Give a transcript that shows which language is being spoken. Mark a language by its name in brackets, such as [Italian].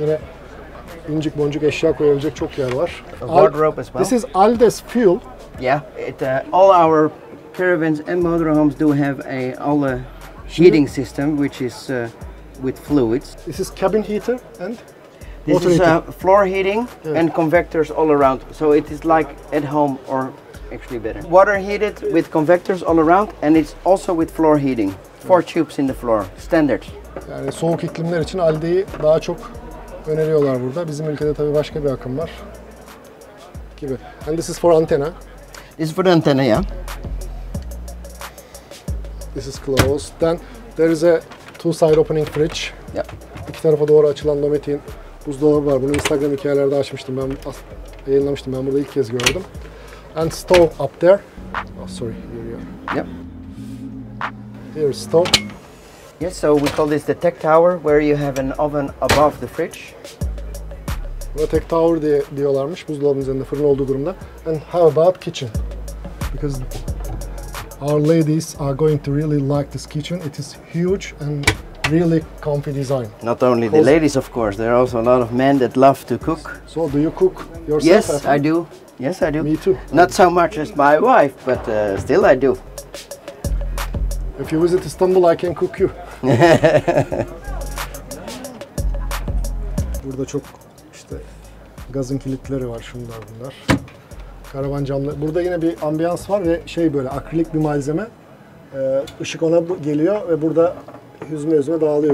[Turkish] Yine incik boncuk eşya koyabilecek çok yer var. [English] Wardrobe as well. This is Aldes fuel. Yeah, it, all our caravans and motorhomes do have a all the heating system, which is with fluids. This is cabin heater and this is floor heating, yeah, and convectors all around. So it is like at home or actually better. Water heated with convectors all around, and it's also with floor heating. Four, yeah, tubes in the floor, standard. [Turkish] Yani soğuk iklimler için Aldi'yi daha çok öneriyorlar burada. Bizim ülkede tabii başka bir akım var gibi. [English] And this is for antenna. This is for the antenna, yeah. This is closed. Then there is a two-side opening fridge. Yeah. [Turkish] İki tarafa doğru açılan domatiğin buzdolabı var. Bunu Instagram hikayelerde açmıştım. Ben yayınlamıştım. Ben burada ilk kez gördüm. [English] And stove up there. Oh, sorry. Here you are. Yep. Here is stove. Yes, so we call this the tech tower, where you have an oven above the fridge. [Turkish] Buna tech tower diye diyorlarmış. Buzdolabının üzerinde fırın olduğu durumda. [English] And how about kitchen? Because our ladies are going to really like this kitchen. It is huge and really comfy design. Not only the ladies, of course, there are also a lot of men that love to cook. So do you cook yourself? Yes, I do. Yes, I do. Me too. Not so much as my wife, but still I do. If you visit Istanbul, I can cook you. [Turkish] Burada çok işte gazın kilitleri var, şunlar bunlar. Karavan camlı. Burada yine bir ambiyans var ve şey böyle akrilik bir malzeme. Işık ona geliyor ve burada hüzme hüzme dağılıyor.